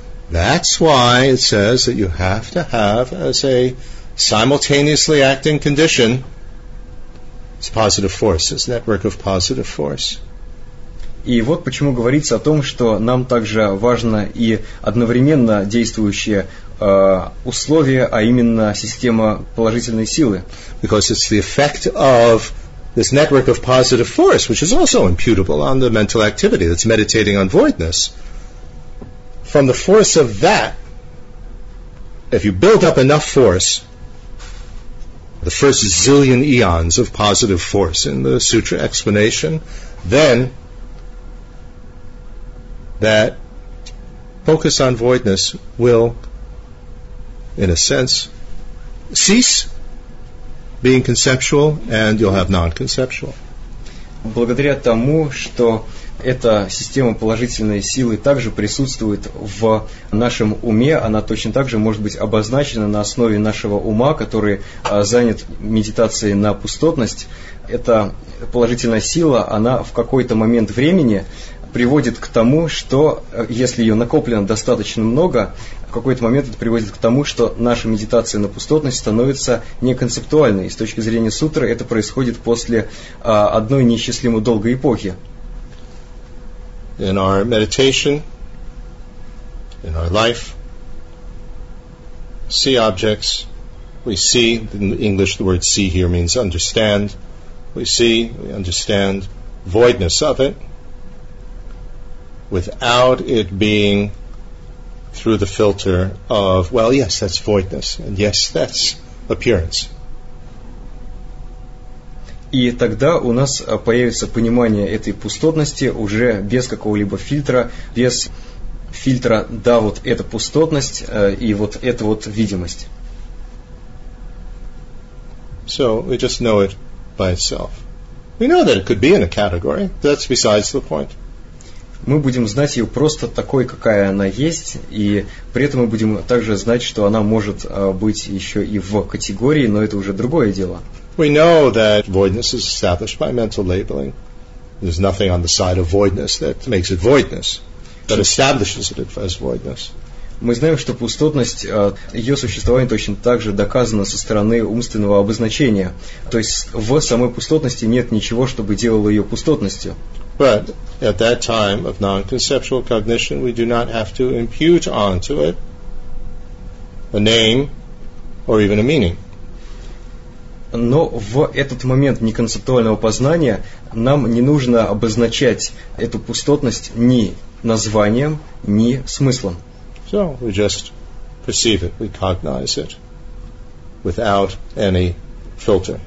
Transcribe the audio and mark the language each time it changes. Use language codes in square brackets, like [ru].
[en] That's why it says that you have to have as a simultaneously acting condition, it's positive force, it's a network of positive force. [ru] И вот почему говорится о том, что нам также важно и одновременно действующие условия, а именно система положительной силы. [en] Because it's the effect of this network of positive force, which is also imputable on the mental activity that's meditating on voidness. From the force of that, if you build up enough force, the first zillion eons of positive force in the sutra explanation, then that focus on voidness will, in a sense, cease being conceptual, and you'll have non-conceptual. [ru] Благодаря тому, что эта система положительной силы также присутствует в нашем уме, она точно так же может быть обозначена на основе нашего ума, который занят медитацией на пустотность. Эта положительная сила, она в какой-то момент времени приводит к тому, что если ее накоплено достаточно много, в какой-то момент это приводит к тому, что наша медитация на пустотность становится неконцептуальной. И с точки зрения сутры это происходит после одной неисчислимо долгой эпохи. [en] In our meditation, in our life, see objects, we see, in English the word see here means understand, we understand voidness of it, without it being through the filter of, well, yes, that's voidness, and yes, that's appearance. [ru] И тогда у нас появится понимание этой пустотности уже без какого-либо фильтра, без фильтра «да, вот это пустотность» и вот эта вот видимость. [en] So, we just know it by itself. We know that it could be in a category. That's besides the point. [ru] Мы будем знать ее просто такой, какая она есть, и при этом мы будем также знать, что она может быть еще и в категории, но это уже другое дело. [en] We know that voidness is established by mental labeling. There's nothing on the side of voidness that makes it voidness, that establishes it as voidness. [ru] Мы знаем, что пустотность, ее существование точно так же доказано со стороны умственного обозначения. То есть в самой пустотности нет ничего, чтобы делало ее пустотностью. [en] But at that time of non-conceptual cognition, we do not have to impute onto it a name or even a meaning. [ru] Но в этот момент неконцептуального познания нам не нужно обозначать эту пустотность ни названием, ни смыслом. [en] So we just perceive it, we cognize it without any filter.